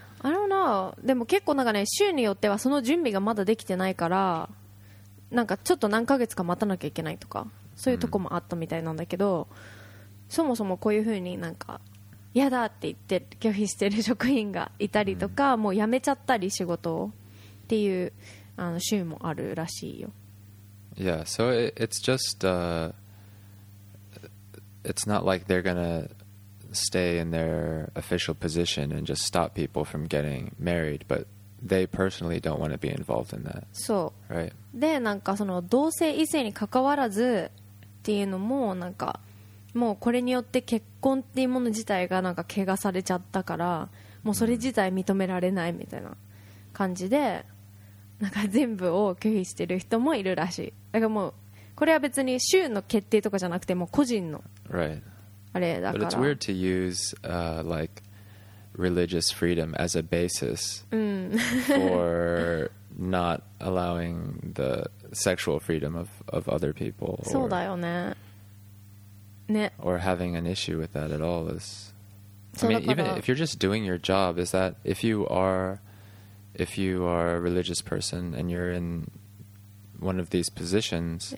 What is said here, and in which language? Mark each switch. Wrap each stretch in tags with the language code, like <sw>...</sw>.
<en>I don't know、</en> <ja>でも結構なんかね、州によってはその準備がまだできてないから、なんかちょっと何ヶ月か待たなきゃいけないとか、そういうとこもあったみたいなんだけど、そもそもこういう風になんか嫌だって言って拒否してる職員がいたりとか、もう辞めちゃったり仕事をっていう州もあるらしいよ。</ja> <en>Yeah, so it's just it's not like they're gonna stay in their official position and just stop people from getting married, but they personally don't want to be involved in that.</en> <ja>そう、</ja> <en>right?</en> <ja>で、なんかその同性異性に関わらずっていうのも、なんかもうこれによって結婚っていうもの自体がなんか怪我されちゃったから、もうそれ自体認められないみたいな感じで、なんか全部を拒否してる人もいるらしい。だからもうこれは別に州の決定とかじゃなくて、もう個人のあれだから。</ja> <en>Right. But it's weird to use like religious freedom as a basis for not allowing the sexual freedom of other people.</en> <ja>そうだよね。ね。</ja> <en>Or having an issue with that at all is. I mean, even if you're just doing your job, is that if you are a religious person and you're in one of these positions,</en>